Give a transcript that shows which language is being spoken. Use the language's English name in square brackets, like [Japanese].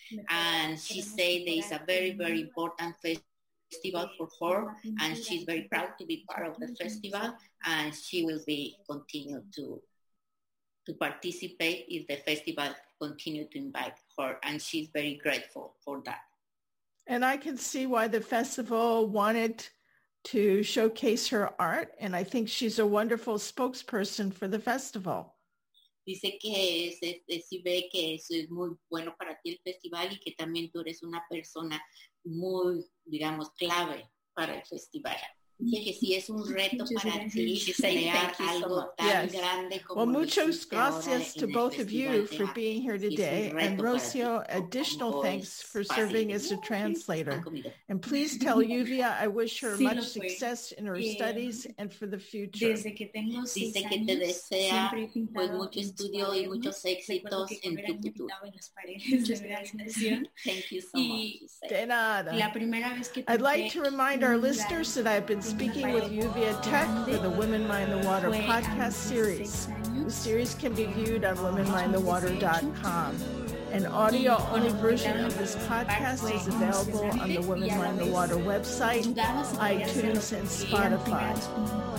[English] And she said that it's a very, very important festival for her, and she's very proud to be part of the festival, and she will be continue to participate if the festival continue to invite her, and she's very grateful for that. And I can see why the festival wanted to showcase her art, and I think she's a wonderful spokesperson for the festival. [Spanish] Dice que si ve que eso es muy bueno para ti el festival y que también tú eres una persona muy, digamos, clave para el festival. Dice que sí es un reto para ti crear algo tan grande como [English] Well, [Spanish] muchas gracias [English] to both of you for being here today. And Rocio, additional thanks for serving as a translator. And please tell Juvia I wish her much success in her studies and for the future. [Spanish] Desde que tengo 6 años, Dice que te desea pues mucho estudio y muchos éxitos en tu futuro. Muchas gracias. [English] Thank you so much. [Spanish] De nada. La primera vez que [English] I'd like to remind our listeners that I've been speaking with Juvia Tech for the Women Mind the Water podcast series. The series can be viewed on womenmindthewater.com. An audio-only version of this podcast is available on the Women Mind the Water website, iTunes, and Spotify.